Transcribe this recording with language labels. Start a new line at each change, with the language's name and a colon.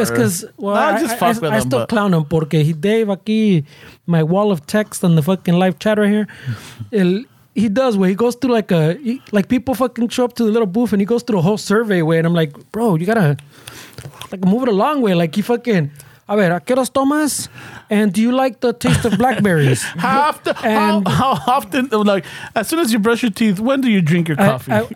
English: It's because, I still clown him
Spanish: porque Dave aquí,
English: my wall of text on the fucking live chat right here, he does where he goes through like people fucking show up to the little booth and he goes through a whole survey way. And I'm like, bro, you gotta like move it a long way. Like, he fucking,
Spanish: a ver, ¿qué los tomas?
English: And do you like the taste of blackberries? How often, like, as soon as you brush your teeth, when do you drink your coffee?